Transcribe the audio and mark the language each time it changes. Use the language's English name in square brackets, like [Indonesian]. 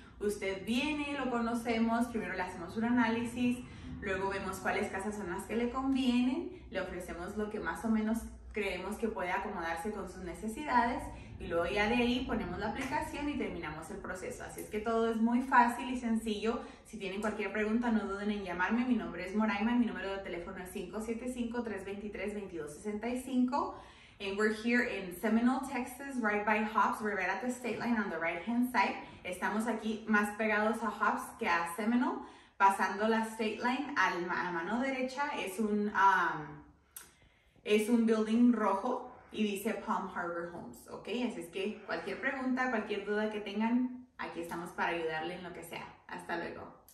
[Spanish] Usted viene, lo conocemos, primero le hacemos un análisis, luego vemos cuáles casas son las que le convienen, le ofrecemos lo que más o menos creemos que puede acomodarse con sus necesidades y luego ya de ahí ponemos la aplicación y terminamos el proceso. Así es que todo es muy fácil y sencillo. Si tienen cualquier pregunta, no duden en llamarme. Mi nombre es Moraima y mi número de teléfono es 575-323-2265. [English] And we're here in Seminole, Texas, right by Hobbs. We're right at the state line on the right-hand side. [Spanish] Estamos aquí más pegados a Hobbs que a Seminole. Pasando la state line a la mano derecha es un building rojo y dice Palm Harbor Homes, ¿ok? Así es que cualquier pregunta, cualquier duda que tengan, aquí estamos para ayudarle en lo que sea. Hasta luego.